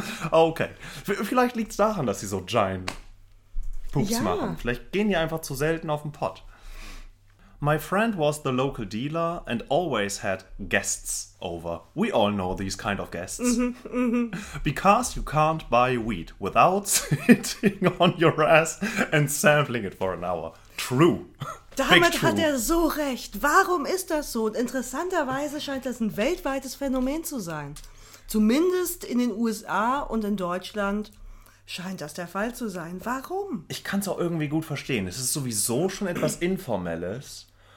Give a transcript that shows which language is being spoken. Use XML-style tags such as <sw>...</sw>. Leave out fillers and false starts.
<de>Okay, vielleicht liegt es daran, dass sie so Giant-Poops machen. Vielleicht gehen die einfach zu selten auf den Pott.</de> <en>My friend was the local dealer and always had guests over. We all know these kind of guests. Because you can't buy weed without sitting on your ass and sampling it for an hour. True.</en> <de>Damit hat er so recht. Warum ist das so? Und interessanterweise scheint das ein weltweites Phänomen zu sein. Zumindest in den USA und in Deutschland scheint das der Fall zu sein. Warum? Ich kann es auch irgendwie gut verstehen. Es ist sowieso schon etwas Informelles.</de>